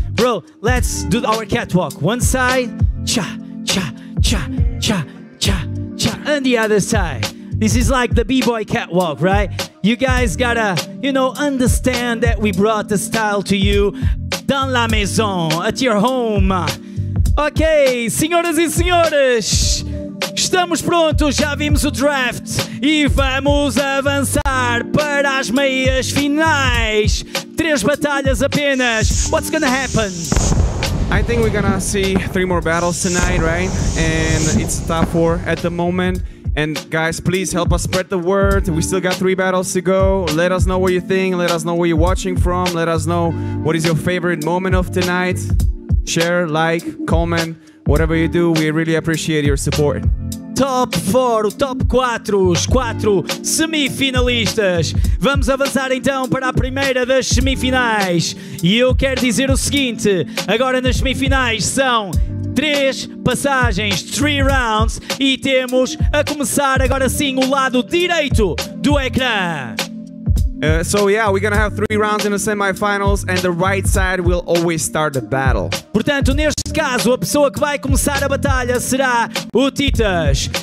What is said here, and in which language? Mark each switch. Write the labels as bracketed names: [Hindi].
[English] Bro, let's do our catwalk. One side, cha, cha, cha, cha, cha, cha, and the other side. This is like the B-boy catwalk, right? You guys gotta, you know, understand that we brought the style to you [French] dans la maison, [English] at your home. [Portuguese] Ok, senhoras e senhores, estamos prontos, já vimos o draft e vamos avançar para as meias finais. Três batalhas apenas. [English] What's gonna happen? I think we're gonna see three more battles tonight, right? And it's top four at the moment. And guys, please help us spread the word. We still got three battles to go. Let us know what you think. Let us know where you're watching from. Let us know what is your favorite moment of tonight. Share, like, comment, whatever you do, we really appreciate your support. [Portuguese] Top 4, top 4, os 4 semifinalistas. Vamos avançar então para a primeira das semifinais. E eu quero dizer o seguinte, agora nas semifinais são 3 passagens, 3 rounds, e temos a começar agora sim o lado direito do ecrã. [English] So yeah, we're gonna have 3 rounds in the semifinals and the right side will always start the battle. [Portuguese] Portanto, neste caso, a pessoa que vai começar a batalha será o Titas.